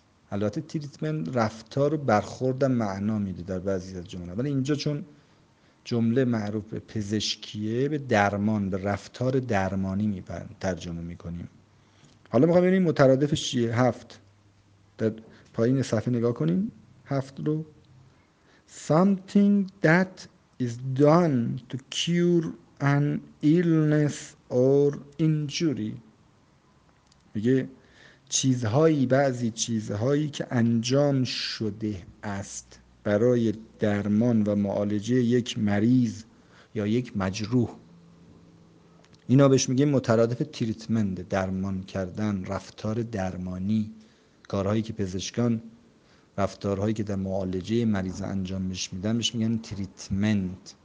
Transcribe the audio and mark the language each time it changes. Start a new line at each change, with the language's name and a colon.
Persian: البته تریتمنت رفتار و برخورد معنا میده در بعضی از جمله، ولی اینجا چون جمله معروف به پزشکیه، به درمان، به رفتار درمانی ترجمه میکنیم. حالا میخوام ببینیم مترادفش چیه. 7 در پایین صفحه نگاه کنین، 7 رو.
English: Something that is done to cure an illness or injury.
Persian: میگه بعضی چیزهایی که انجام شده است برای درمان و معالجه یک مریض یا یک مجروح، اینا بهش میگیم مترادف تریتمنت، درمان کردن، رفتار درمانی، کارهایی که پزشکان، رفتارهایی که در معالجه مریض انجام میدن بهش میگن تریتمنت.